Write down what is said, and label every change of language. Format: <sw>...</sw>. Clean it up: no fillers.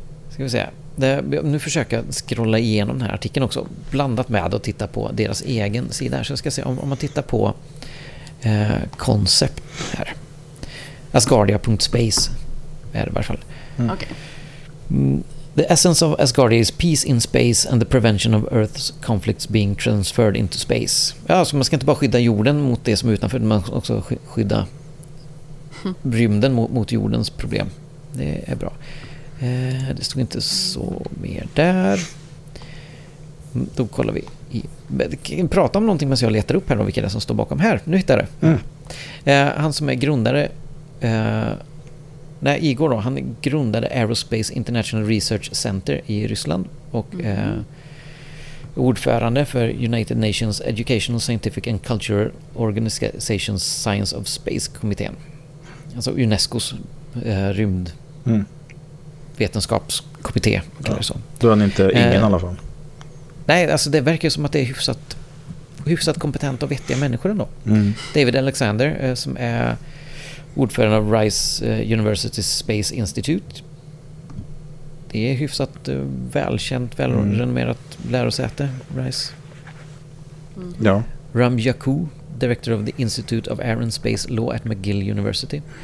<sv>Ska vi se. Nu försöker jag scrolla igenom den här artikeln också. Blandat med att titta på deras egen sida här. Så jag ska se om man tittar på koncept här. Asgardia.space är det i varje fall.</sv> <en>The essence of Asgardia is peace in space and the prevention of Earth's conflicts being transferred into space.</en> <sv>Ja, så man ska inte bara skydda jorden mot det som är utanför, man ska också skydda rymden mot jordens problem. Det är bra. Det stod inte så mer där. Då kollar vi. Prata om någonting medan jag letar upp här då, vilka det är som står bakom här. Nu hittar jag det. Han som är grundare... Nej, Igor då. Han grundade Aerospace International Research Center i Ryssland. Och ordförande för United Nations Educational, Scientific and Cultural Organization Science of Space-kommittén. Alltså UNESCOs rymd... vetenskapskommitté. Ja, då är han inte ingen i alla fall. Nej, alltså det verkar som att det är hyfsat kompetent och vettiga människor ändå. Mm. David Alexander som är ordförande av Rice University Space Institute. Det är hyfsat välkänt, välrenomerat lärosäte, Rice. Mm. Ja.</sv> <en>Ram Yaku, director of the Institute of Air and Space Law at McGill University.</en>